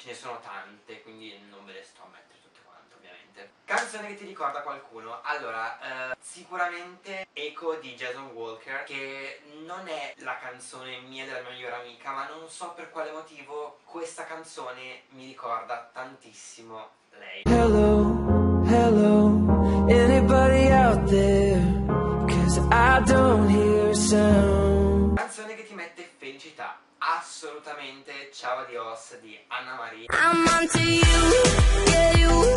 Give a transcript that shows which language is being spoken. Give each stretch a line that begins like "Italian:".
Italian: Ce ne sono tante, quindi non ve le sto a mettere. Canzone che ti ricorda qualcuno? Allora, sicuramente Echo di Jason Walker, che non è la canzone mia della mia migliore amica, ma non so per quale motivo questa canzone mi ricorda tantissimo lei.
English: Hello, hello, anybody out there? 'Cause I don't hear sound.
Italian: Canzone che ti mette felicità? Assolutamente Ciao Adios di Anna Maria.
English: I'm on to you, yeah you.